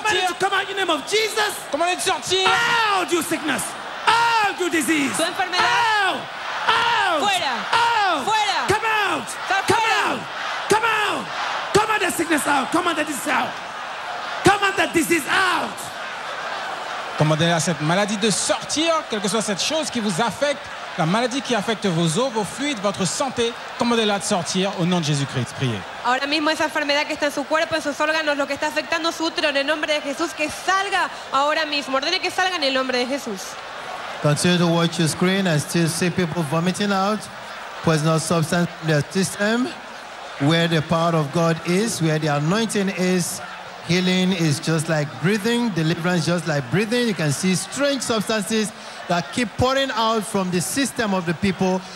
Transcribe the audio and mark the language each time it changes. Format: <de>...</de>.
<en>Command it to come out in the name of Jesus.</en> <fr>Commande de sortir.</fr> <en>Out your sickness. Out your disease.</en> <es>Tu enfermedad.</es> <en>Out. Out.</en> <es>Fuera.</es> <en>Out.</en> <es>Fuera.</es> <en>Come out. Come out. Come out. Come out the sickness out. Come out the disease out. Come out the disease out.</en> <fr>Commandez à cette maladie de sortir, quelle que soit cette chose qui vous affecte, la maladie qui affecte vos os, vos fluides, votre santé, commandez-la de sortir au nom de Jésus-Christ. Priez.</fr> <es>Ahora mismo esa enfermedad que está en su cuerpo, en sus órganos, lo que está afectando su útero, en el nombre de Jesús, que salga ahora mismo. Ordene que salga en el nombre de Jesús.</es> <en>Continue to watch your screen. I still see people vomiting out poisonous substance in their system. Where the power of God is, where the anointing is, healing is just like breathing, deliverance just like breathing. You can see strange substances that keep pouring out from the system of the people.</en>